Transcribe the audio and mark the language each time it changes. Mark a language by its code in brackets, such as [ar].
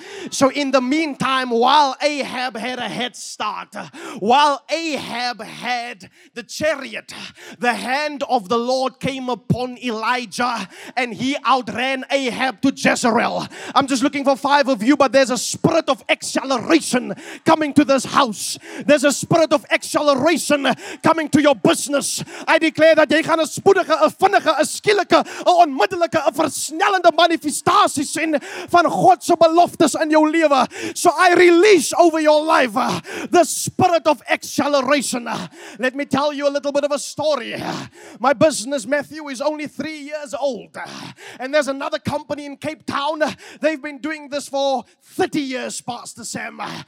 [en] So in the meantime, while Ahab had a head start, while Ahab had the chariot, the hand of the Lord came upon Elijah and he outran Ahab to Jezreel. I'm just looking for five of you, but there's a spirit of acceleration coming to this house. There's a spirit of acceleration coming to your business. I declare that [af] jy gaan 'n spoedige, 'n vinnige, 'n skielike, 'n onmiddellike, 'n versnellende manifestasie sien van God se beloftes in jou lewe. [en] So I release over your life the spirit of acceleration. Let me tell you a little bit of a story. My business, Matthew, is only 3 years old. And there's another company in Cape Town. They've been doing this for 30 years, Pastor Sam.